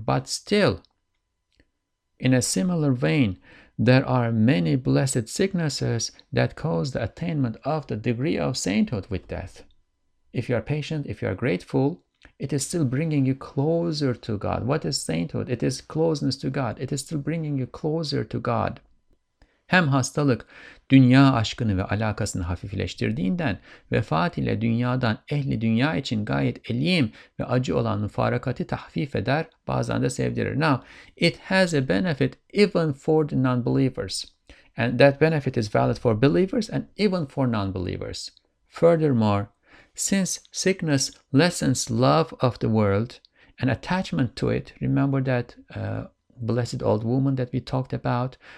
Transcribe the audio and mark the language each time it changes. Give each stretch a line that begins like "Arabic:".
English: But still, in a similar vein, there are many blessed sicknesses that cause the attainment of the degree of sainthood with death. If you are patient, if you are grateful, it is still bringing you closer to God. What is sainthood? It is closeness to God. It is still bringing you closer to God.
Turkish: Hem hastalık dünya aşkını ve alakasını hafifleştirdiğinden, vefat ile dünyadan ehli dünya için gayet elim ve acı olan müfarakati tahfif eder, bazen de sevdirir.
English: Now, it has a benefit even for the non-believers. And that benefit is valid for believers and even for non-believers. Furthermore, since sickness lessens love of the world and attachment to it, remember that blessed old woman that we talked about.